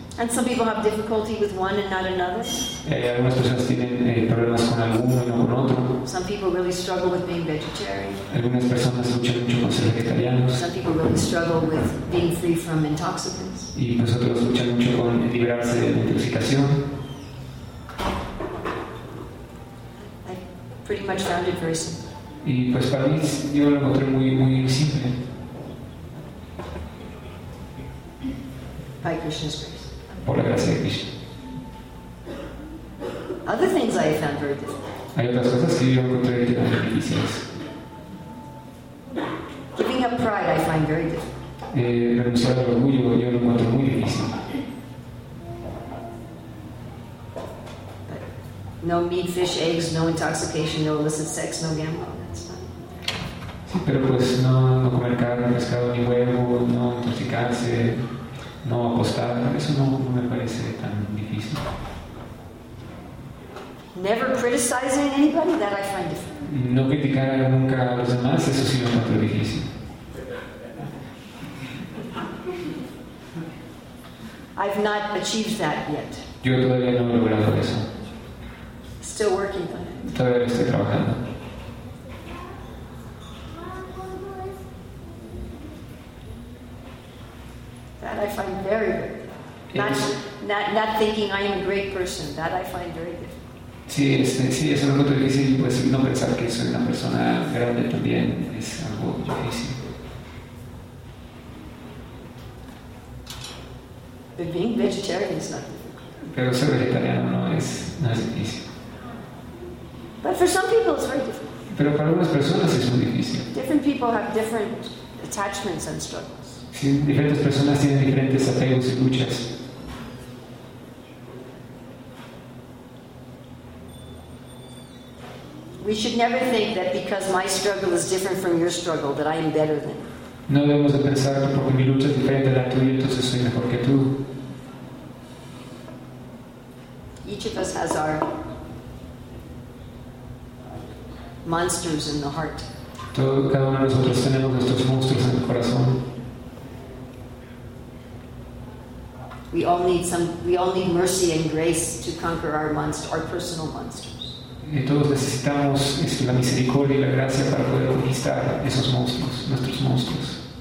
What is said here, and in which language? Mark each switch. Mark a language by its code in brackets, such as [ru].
[en] And some people have difficulty with one and not another. [es] Algunas personas tienen problemas con alguno y no con otro. [en] Some people really struggle with being vegetarian. [es] Algunas personas luchan mucho con ser vegetarianos. [en] Some people really struggle with being free from intoxicants. [es] Y nosotros luchan mucho con liberarse de la intoxicación. [en] Pretty much found it very simple. [es] Y pues para mí yo lo encontré muy muy simple. [en] By Krishna's grace. [es] Por la gracia de Krishna. [en] Other things I found very difficult. [es] Hay otras cosas que yo encontré que eran difíciles. [en] Giving up pride I find very difficult. [es] Renunciar al orgullo yo lo encontré muy difícil. [en] No meat, fish, eggs, no intoxication, no illicit sex, no gambling. That's fine. [es] Sí, pero pues no comer carne, pescado ni huevo, no intoxicarse. no apostar, eso no, no me parece tan difícil. [en] Never criticizing anybody, that I find difficult. [es] No criticar nunca a los demás, eso sí me parece difícil. [en] I've not achieved that yet. [es] Yo todavía no he logrado eso. [en] Still working on it. [es] Todavía lo estoy trabajando. [en] That I find very difficult. Not thinking I am a great person. That I find very difficult. [es] Sí, sí, eso es algo difícil. Pues no pensar que soy una persona grande también es algo difícil. [en] But being vegetarian is not difficult. [es] Pero ser vegetariano no es difícil. [en] But for some people it's very difficult. [es] Pero para algunas personas es muy difícil. [en] Different people have different attachments and struggles. [es] Sí, diferentes personas tienen diferentes apegos y luchas. [en] We should never think that because my struggle is different from your struggle that I am better than you. [es] No debemos de pensar que porque mi lucha es diferente a la tuya, entonces soy mejor que tú. [en] Each of us has our monsters in the heart. [es] Cada uno de nosotros tenemos nuestros monstruos en el corazón. [en] We all need mercy and grace to conquer our personal monsters. [es] Y todos necesitamos la misericordia y la gracia para poder conquistar esos monstruos, nuestros monstruos.